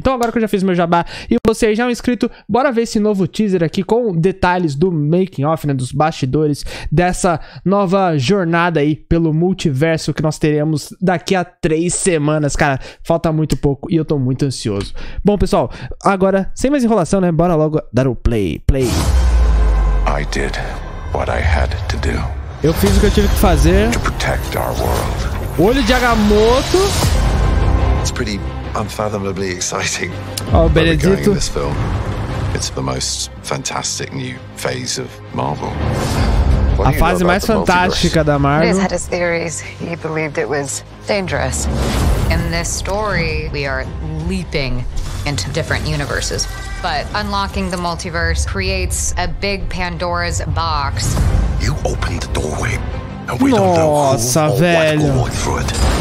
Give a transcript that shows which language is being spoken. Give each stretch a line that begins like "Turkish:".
Portuguese: Então agora que eu já fiz meu jabá e você já é um inscrito, bora ver esse novo teaser aqui com detalhes do making of, né, dos bastidores dessa nova jornada aí pelo multiverso que nós teremos daqui a 3 semanas. Cara, falta muito pouco e eu tô muito ansioso. Bom, pessoal, agora, sem mais enrolação, né, bora logo dar o play.
English: I did what I had to do.
Portuguese: Eu fiz o que eu tive que fazer.
English: To protect our world.
Portuguese: Olho de Agamotto.
English: It's pretty unfathomably exciting. Oh, Benedito. This film. It's the most fantastic new phase of Marvel.
Portuguese: A fase mais fantástica da Marvel.
English: Liz had his theories. He believed it was dangerous. In this story, we are leaping into different universes. But unlocking the multiverse creates a big Pandora's box. You opened the doorway, and we
Portuguese: Nossa,
English: don't know who walked through it.